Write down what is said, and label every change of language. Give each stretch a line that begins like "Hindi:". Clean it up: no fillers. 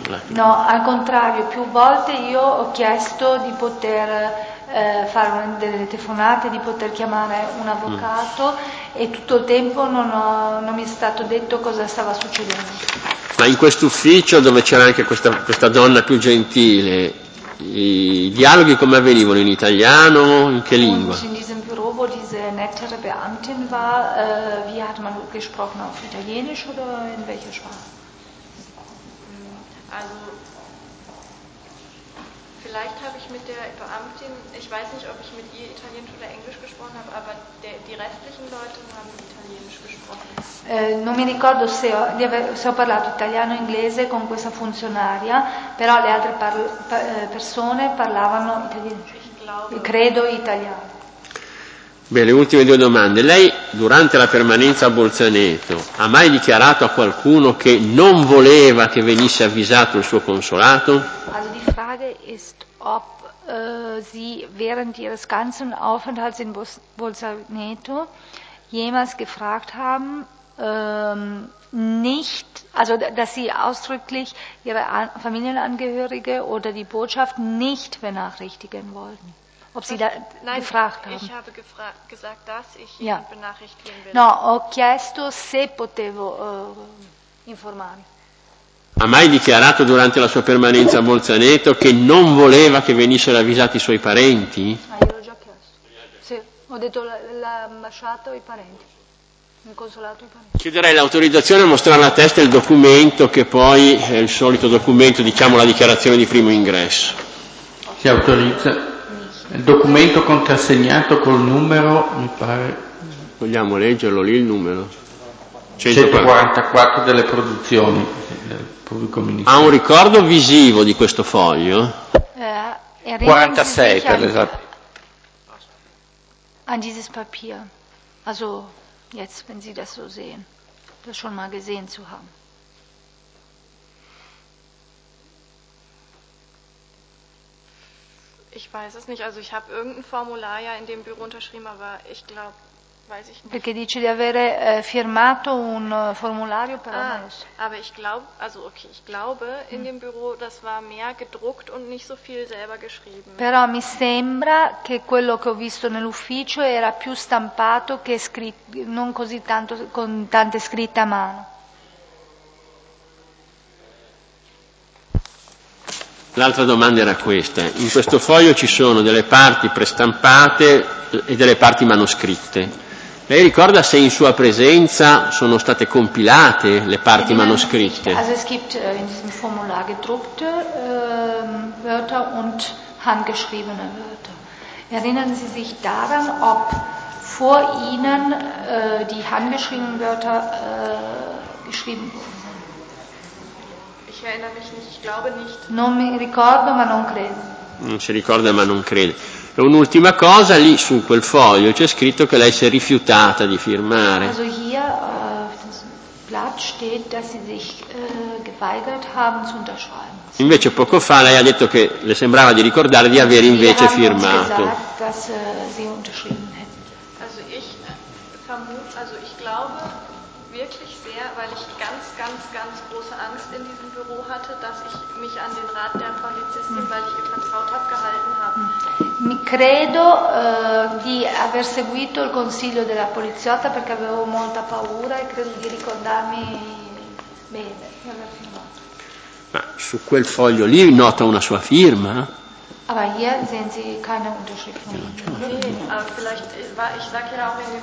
Italian: No, al contrario, più volte io ho chiesto di poter fare delle telefonate, di poter chiamare un avvocato e tutto il tempo non mi è stato detto cosa stava succedendo. Ma in quest'ufficio dove c'era anche questa donna più gentile, i dialoghi come avvenivano, in italiano, in che lingua?
German: Wo diese nettere Beamtin war, wie hat man gesprochen, auf Italienisch oder in welcher Sprache? Also, vielleicht habe ich mit der Beamtin, ich weiß nicht, ob ich mit ihr Italienisch oder Englisch gesprochen habe, aber die restlichen Leute haben Italienisch gesprochen.
Italian: Non mi ricordo se ho parlato italiano o inglese con questa funzionaria, però le altre persone parlavano italiano. Credo italiano. Bene, le ultime due domande. Lei, durante la permanenza a Bolzaneto, ha mai dichiarato a qualcuno che non voleva che venisse avvisato il suo consolato?
German: Also die Frage ist, ob sie während ihres ganzen Aufenthalts in Bolzaneto jemals gefragt haben, nicht, also dass sie ausdrücklich ihre Familienangehörige oder die Botschaft nicht benachrichtigen wollten. Ob sie gefragt haben. Ich habe gesagt, dass ich ihn benachrichtigen will.
Italian: No, ho chiesto se potevo informare. Ha mai dichiarato durante la sua permanenza a Bolzaneto che non voleva che venissero avvisati i suoi parenti? Ah, io l'ho già chiesto. Sì, ho detto l'ambasciata o i parenti. Il consolato e i parenti. Chiederei l'autorizzazione a mostrare la testa e il documento che poi è il solito documento, diciamo la dichiarazione di primo ingresso. Si autorizza. Il documento contrassegnato col numero, mi pare... Vogliamo leggerlo lì, il numero? 144 delle produzioni del pubblico ministero. Ha un ricordo visivo di questo foglio? 46 per l'esatto.
German: An dieses Papier. Also, jetzt, wenn Sie das so sehen. Das schon mal gesehen zu haben. Ich weiß es nicht, also ich habe irgendein Formular ja in dem Büro unterschrieben, aber ich glaube, weiß ich nicht.
Italian: Perché dice di avere firmato un formulario per Anus.
German: Aber ich glaube, also okay, ich glaube in dem Büro, das war mehr gedruckt und nicht so viel selber geschrieben.
Italian: Però mi sembra che quello che ho visto nell'ufficio era più stampato che scritto, non così tanto con tante scritte a mano. L'altra domanda era questa. In questo foglio ci sono delle parti prestampate e delle parti manoscritte. Lei ricorda se in sua presenza sono state compilate le parti manoscritte?
German: Also es gibt in diesem Formular gedruckte Wörter und handgeschriebene Wörter. Erinnern Sie sich daran, ob vor Ihnen die handgeschriebenen Wörter geschrieben wurden? Ich erinnere mich nicht, ich glaube nicht.
Italian: Non mi ricordo, ma non credo. Non si ricorda, ma non credo. E un'ultima cosa, lì su quel foglio c'è scritto che lei si è rifiutata di firmare.
German: Also hier auf diesem Blatt steht, dass sie sich geweigert haben zu unterschreiben.
Italian: Invece poco fa lei ha detto che le sembrava di ricordare di aver invece firmato.
German: Also ich vermute, also ich glaube wirklich sehr, weil ich ganz, ganz, ganz große Angst in diesem Büro hatte, dass ich mich an den Rat der Polizistin, weil ich ihr vertraut habe, gehalten habe.
Italian: Mi credo di aver seguito il consiglio della poliziotta perché avevo molta paura e credo di ricordarmi bene di aver firmato. Ma su quel foglio lì nota una sua firma?
German: Aber hier sehen Sie keine Unterschrift. Nee, aber vielleicht war ich sag hier auch in dem